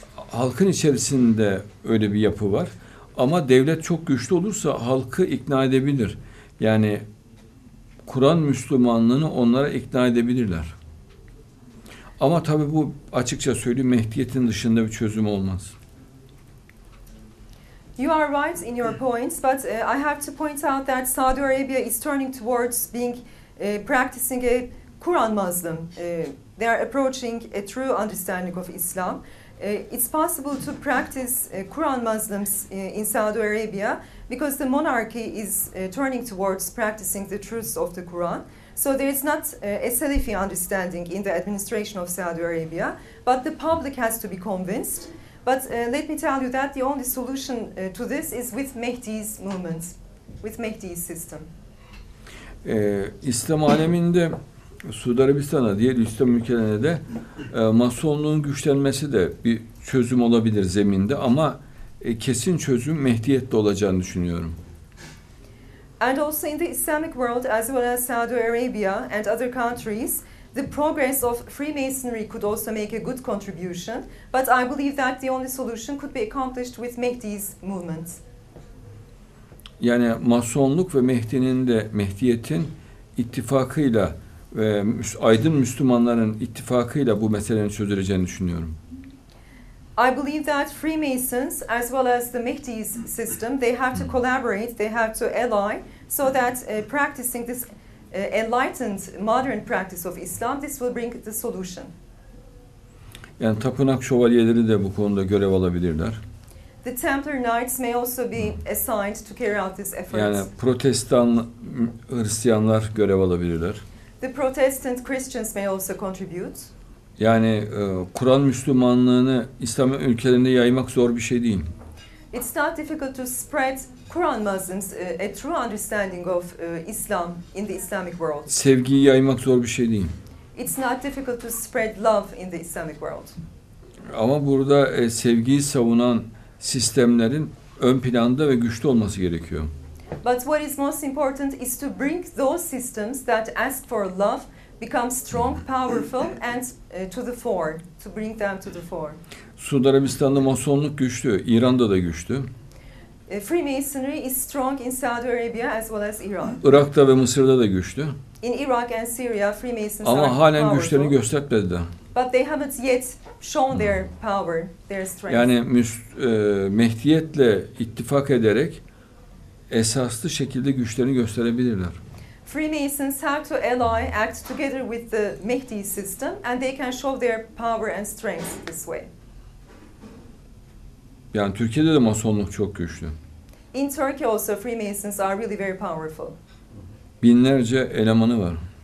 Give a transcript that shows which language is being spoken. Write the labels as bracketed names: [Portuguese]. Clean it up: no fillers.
[Turkish] Halkın içerisinde öyle bir yapı var. Ama devlet çok güçlü olursa halkı ikna edebilir. Yani Kur'an Müslümanlığını onlara ikna edebilirler. Ama tabii bu açıkça söyleyeyim, Mehdiyet'in dışında bir çözüm olmaz. [English] You are right in your points, but I have to point out that Saudi Arabia is turning towards being practicing a Quran Muslim. They are approaching a true understanding of Islam. It's possible to practice Quran Muslims in Saudi Arabia because the monarchy is turning towards practicing the truths of the Quran. So there is not a Salafi understanding in the administration of Saudi Arabia, but the public has to be convinced. But let me tell you that the only solution to this is with Mehdi's movement, with Mehdi's system. [Turkish] İslam aleminde, Suudi Arabistan'a, diğer İslam ülkelerine de Masonluğun güçlenmesi de bir çözüm olabilir zeminde, ama kesin çözüm Mehdiyet'te olacağını düşünüyorum. [English] And also in the Islamic world, as well as Saudi Arabia and other countries, the progress of Freemasonry could also make a good contribution, but I believe that the only solution could be accomplished with Mehdi's movement. [Turkish] Yani Masonluk ve Mehdi'nin de Mehdiyet'in ittifakıyla ve aydın Müslümanların ittifakıyla bu meselenin çözüleceğini düşünüyorum. [English] I believe that Freemasons as well as the Mehdi's system, they have to collaborate, they have to ally so that practicing this enlightened modern practice of Islam, this will bring the solution. [Turkish] Yani tapınak şövalyeleri de bu konuda görev alabilirler. [English] The Templar Knights may also be assigned to carry out this effort. [Turkish] Yani Protestan Hristiyanlar görev alabilirler. [English] The Protestant Christians may also contribute. [Turkish] Yani Kur'an Müslümanlığını İslam ülkelerinde yaymak zor bir şey değil. [English] It's not difficult to spread Quran Muslims a true understanding of Islam in the Islamic world. [Turkish] Sevgiyi yaymak zor bir şey değil. [English] It's not difficult to spread love in the Islamic world. [Turkish] Ama burada sevgiyi savunan sistemlerin ön planda ve güçlü olması gerekiyor. [English] But what is most important is to bring those systems that ask for love become strong, powerful and to the fore, to bring them to the fore. [Turkish] Suudi Arabistan'da Masonluk güçlü, İran'da da güçlü. [English] Freemasonry is strong in Saudi Arabia as well as Iran. [Turkish] Irak'ta ve Mısır'da da güçlü. [English] In Iraq and Syria, Freemasons are powerful. [Turkish] Ama halen güçlerini göstermedi de. [English] But they haven't yet shown their power, their strength. [Turkish] Yani Mehdiyet'le ittifak ederek esaslı şekilde güçlerini gösterebilirler. [English] Freemasons have to ally, act together with the Mehdi system and they can show their power and strength this way. [Turkish] Yani Türkiye'de de Masonluk çok güçlü. [English] In Turkey also Freemasons are really very powerful. [Turkish] Binlerce elemanı var.